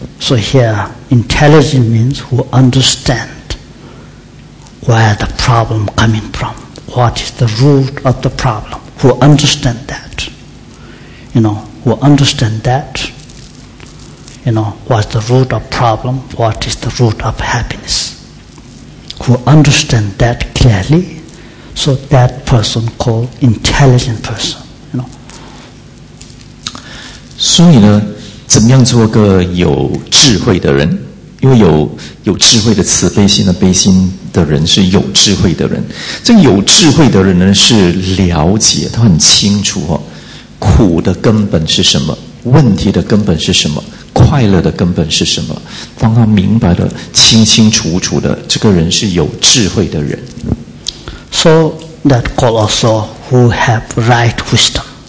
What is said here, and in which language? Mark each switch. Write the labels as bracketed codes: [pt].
[en] So here, intelligent means who understand where the problem coming from, what is the root of the problem, who understand that, you know, who understand that, you know, what's the root of problem, what is the root of happiness, who understand that clearly, so that person called intelligent person. [zh] 所以呢，怎么样做个有智慧的人？因为有智慧的慈悲心的悲心的人是有智慧的人。这有智慧的人呢，是了解，他很清楚哦，苦的根本是什么，问题的根本是什么，快乐的根本是什么。当他明白了清清楚楚的，这个人是有智慧的人。 [en] So that call also who have right wisdom.